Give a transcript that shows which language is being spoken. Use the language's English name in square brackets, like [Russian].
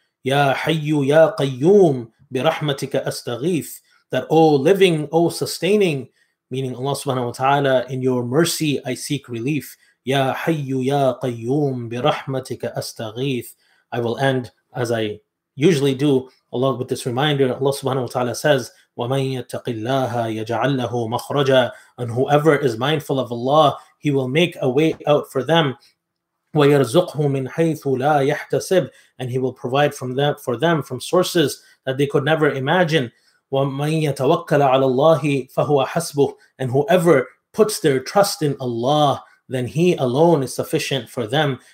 [Arabic] Ya hayyu ya qayyum bi rahmatika astaghith. [English] That, O living, O sustaining, meaning Allah subhanahu wa ta'ala, in your mercy I seek relief. [Arabic] Ya hayyu ya qayyum bi rahmatika astaghith. [English] I will end as I usually do, Allah, with this reminder. Allah subhanahu wa ta'ala says, [Arabic] وَمَن يَتَّقِ اللَّهَ يَجْعَلْ لَهُ مَخْرَجًا. [English] And whoever is mindful of Allah, He will make a way out for them. [Arabic] وَيَرْزُقْهُ مِنْ حَيْثُ لَا يَحْتَسِبْ. [English] And He will provide from them, for them, from sources that they could never imagine. [Arabic] وَمَنْ يَتَوَكَّلَ عَلَى اللَّهِ فَهُوَ حَسْبُهُ [English] And whoever puts their trust in Allah, then He alone is sufficient for them.